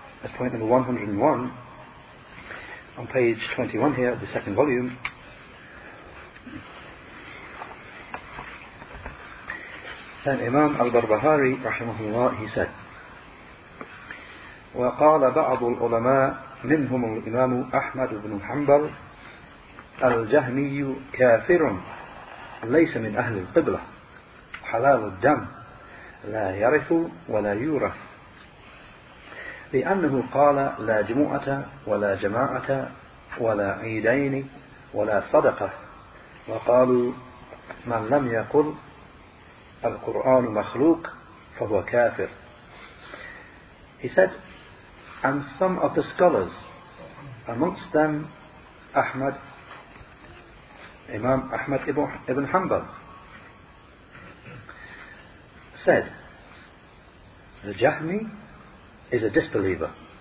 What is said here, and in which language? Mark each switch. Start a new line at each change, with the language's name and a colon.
English: That's point number 101, on page 21 here of the second volume. Then Imam al-Barbahari, rahimahullah, he said,
Arabic: وَقَالَ بَعْضُ الْعُلَمَاءِ مِنْهُمُ الْإِمَامُ أَحْمَدُ بْنُ حَنْبَلُ الْجَهْمِيُّ كَافِرٌ لَيْسَ مِنْ أَهْلِ الْقِبْلَةِ حَلَالُ الدَّمِ لَا يَرِثُ وَلَا يُورَثُ لأنه قال لا جموعة ولا جماعة ولا عيدين ولا صدقة وقالوا من لم يقل القرآن مخلوق فهو كافر.
English: He said, and some of the scholars, amongst them Ahmad, Imam Ahmad ibn Hanbal, said, the Jahmi is a disbeliever.